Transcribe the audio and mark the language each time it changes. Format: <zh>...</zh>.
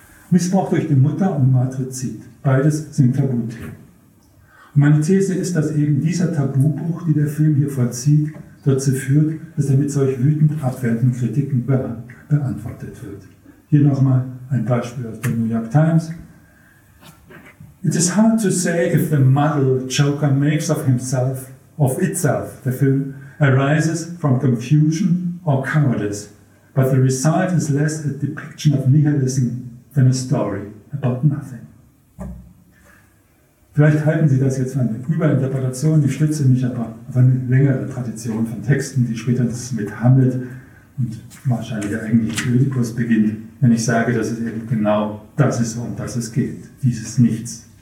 <de>Missbrauch durch die Mutter und Matrizid, beides sind Tabuthemen. Und meine These ist, dass eben dieser Tabubruch, die der Film hier vollzieht, dazu führt, dass er mit solch wütend abwertenden Kritiken beantwortet wird. Hier nochmal ein Beispiel aus der New York Times.</de> <en>It is hard to say if the muddle Joker makes of himself, of itself, the film, arises from confusion or cowardice, but the result is less a depiction of nihilism than a story about nothing.</en> <de>Vielleicht halten Sie das jetzt für eine Überinterpretation, ich stütze mich aber auf eine längere Tradition von Texten, die später mit Hamlet und wahrscheinlich eigentlich Ödipus beginnt, wenn ich sage, dass es eben genau das ist, um das es geht, dieses Nichts.</de>